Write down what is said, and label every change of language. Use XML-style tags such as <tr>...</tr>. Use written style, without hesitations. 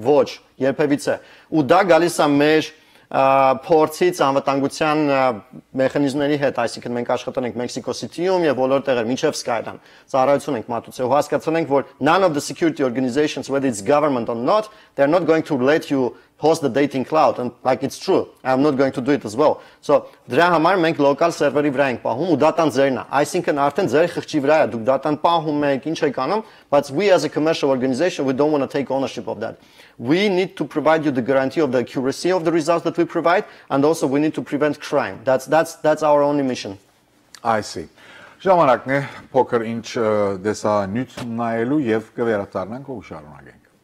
<hy>Ոչ, երբևիցե։ Ու դա գալիս է մեր փորձից անվտանգության մեխանիզմների հետ, այսինքն մենք աշխատել ենք Մեքսիկո Սիթիում եւ բոլոր տեղերում, ոչ միայն Skyland։ Ծառայություն ենք մատուցել ու հասկացել ենք, որ</hy> <en>none of the security organizations, whether it's government or not, they're not going to let you host the dating cloud, and like it's true, I'm not going to do it as well.</en> <hy>So դրա համար մենք local server-ի վրա ենք պահում ու data-ն ձերնա, այսինքն արդեն ձեր խղճի վրա է, դուք data-ն պահում եք, ինչ եք անում,</hy> <en>but we as a commercial organization, we don't want to take ownership of that. We need to provide you the guarantee of the accuracy of the results that we provide, and also we need to prevent crime. That's our only mission. I see.</en> <hy>Ժամանակն է փոքր ինչ դեսանյութ նայելու եւ կվերադառնանք ու շարունակենք։</hy>